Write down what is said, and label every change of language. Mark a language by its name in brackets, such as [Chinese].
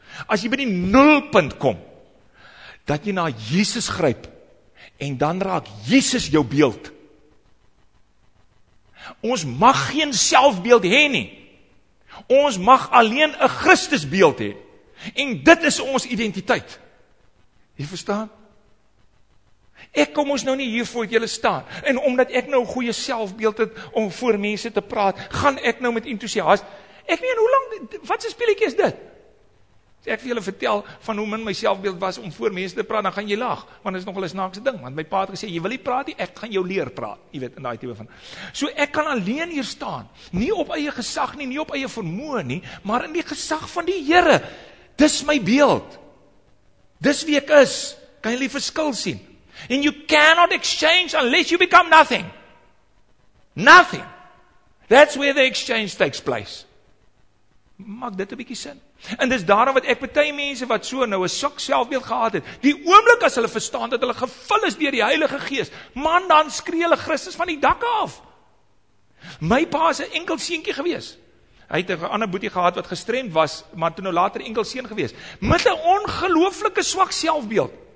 [Afrikaans] As jy by die nulpunt kom, dat jy na Jesus gryp, en dan raak Jesus jou beeld. Ons mag geen selfbeeld hê nie. Ons mag alleen 'n Christusbeeld hê. En dit is ons identiteit. Jy verstaan? Ek kom ons nou nie hier voor julle staan. En omdat ek nou 'n goeie selfbeeld het om voor mense te praat, gaan ek nou met entoesiasme. Ek meen, hoe lang, wat se speletjie is dit? As ek vir julle vertel van hoe min my selfbeeld was om voor mense te praat, dan gaan jy lag, want dit is nogal 'n snaakse ding, want my pa het gesê, jy wil nie praat nie, ek gaan jou leer praat, jy weet, in daai tipe van. So ek kan alleen hier staan, nie op eie gesag nie, nie op eie vermoë nie, maar in die gesag van die Here. Dis my beeld. Dis wie ek is. Kan jy die verskil sien? [English] And you cannot exchange unless you become nothing. Nothing. That's where the exchange takes place. [Afrikaans] Maak dit 'n bietjie sin. En dis daarom wat ek party mense wat so nou 'n sok selfbeeld gehad het, die oomblik as hulle verstaan dat hulle gevul is deur die Heilige Gees, man, dan skree hulle Christus van die dakke af. My pa is 'n enkel seentjie gewees. Hy het 'n ander boetie gehad wat gestremd was, maar toe nou later enkel seun gewees, met 'n ongelooflike swak selfbeeld.